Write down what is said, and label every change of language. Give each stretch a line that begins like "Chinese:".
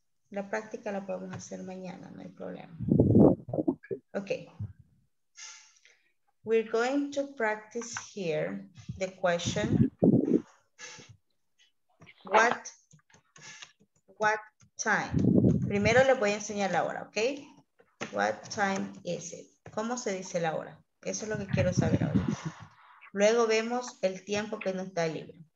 Spanish: La práctica la podemos hacer mañana, no hay problema.
English: Okay. We're going to practice here the question, what time?
Spanish: Primero les voy a enseñar la hora, ¿ok?
English: What time is it?
Spanish: ¿Cómo se dice la hora? Eso es lo que quiero saber ahora. Luego vemos el tiempo que nos da el libro.